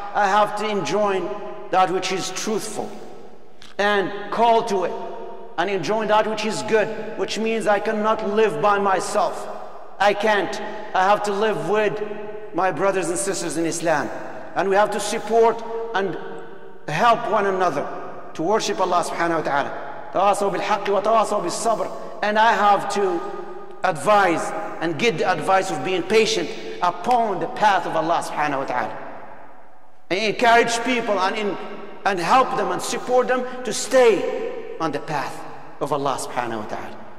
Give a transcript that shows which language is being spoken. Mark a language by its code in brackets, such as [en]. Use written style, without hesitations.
[en] I have to enjoin that which is truthful and call to it and enjoin that which is good, which means I cannot live by myself. I can't. I have to live with my brothers and sisters in Islam. And we have to support and help one another to worship Allah subhanahu wa ta'ala. [ar] تواصوا بالحق وتواصوا بالصبر. [en] And I have to advise and give the advice of being patient upon the path of Allah subhanahu wa ta'ala. And encourage people and help them and support them to stay on the path of Allah subhanahu wa ta'ala.